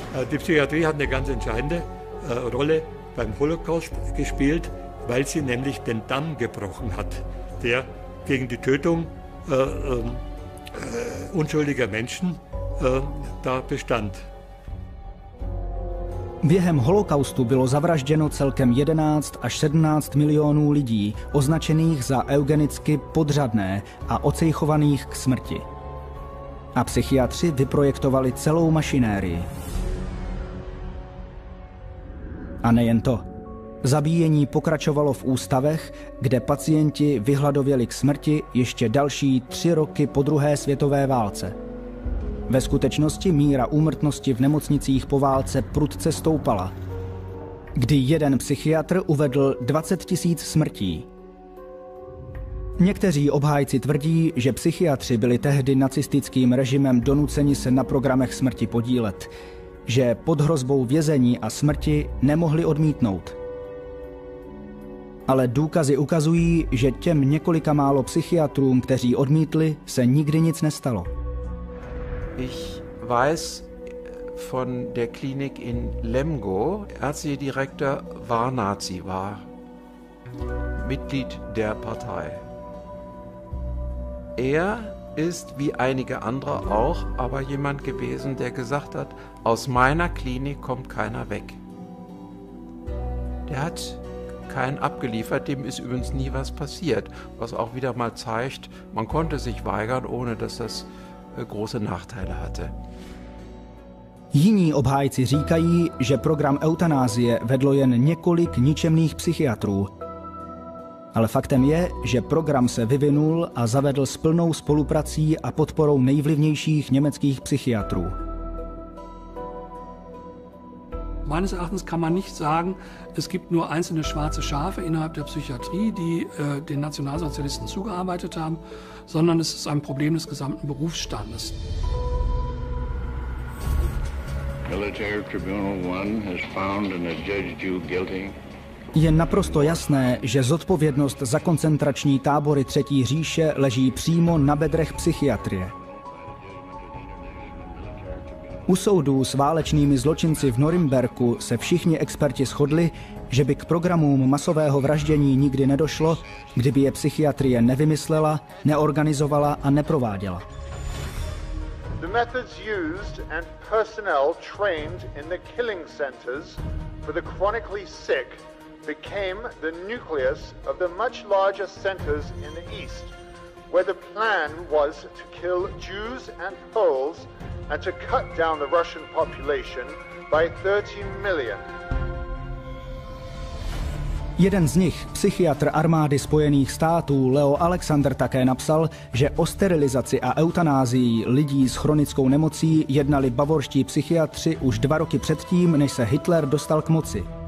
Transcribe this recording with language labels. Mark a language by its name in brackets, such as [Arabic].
[German] Die Psychiatrie hat eine ganz entscheidende Rolle beim Holocaust gespielt, weil sie nämlich den Damm gebrochen hat, der gegen die Tötung unschuldiger Menschen da bestand. [Czech] Během holokaustu bylo zavražděno celkem 11 až 17 milionů lidí, označených za eugenicky podřadné a ocejchovaných k smrti. A psychiatři vyprojektovali celou mašinérii. A nejen to. Zabíjení pokračovalo v ústavech, kde pacienti vyhladověli k smrti ještě další 3 roky po druhé světové válce. Ve skutečnosti míra úmrtnosti v nemocnicích po válce prudce stoupala, kdy jeden psychiatr uvedl 20 000 smrtí. Někteří obhájci tvrdí, že psychiatři byli tehdy nacistickým režimem donuceni se na programech smrti podílet, že pod hrozbou vězení a smrti nemohli odmítnout. Ale důkazy ukazují, že těm několika málo psychiatrům, kteří odmítli, se nikdy nic nestalo. [German] Ich weiß von der Klinik in Lemgo, ärztlicher Direktor war Nazi, war Mitglied der Partei. Er ist wie einige andere auch, aber jemand gewesen, der gesagt hat, aus meiner Klinik kommt keiner weg. Der hat keinen abgeliefert, dem ist übrigens nie was passiert, was auch wieder mal zeigt, man konnte sich weigern, ohne dass das große Nachteile hatte. [Czech] Jiní obhájci říkají, že program eutanázie vedlo jen několik ničemných psychiatrů. Ale faktem je, že program se vyvinul a zavedl s plnou spoluprací a podporou nejvlivnějších německých psychiatrů. [German] Meines Erachtens kann man nicht sagen, es gibt nur einzelne schwarze Schafe innerhalb der Psychiatrie, die den Nationalsozialisten zugearbeitet haben, sondern es ist ein Problem des gesamten Berufsstandes. [English] Military Tribunal 1 has found and has judged you guilty. [Czech] Je naprosto jasné, že zodpovědnost za koncentrační tábory Třetí říše leží přímo na bedrech psychiatrie. U soudů s válečnými zločinci v Norimberku se všichni experti shodli, že by k programům masového vraždění nikdy nedošlo, kdyby je psychiatrie nevymyslela, neorganizovala a neprováděla. [English] The methods used and personnel trained in the killing centers for the chronically sick became the nucleus of the much larger centers in the east, where the plan was to kill Jews and Poles and to cut down the Russian population by 30 million. [Czech] Jeden z nich, psychiatr armády Spojených států Leo Alexander, také napsal, že o sterilizaci a eutanázii lidí s chronickou nemocí jednali bavorští psychiatři už 2 roky předtím, než se Hitler dostal k moci.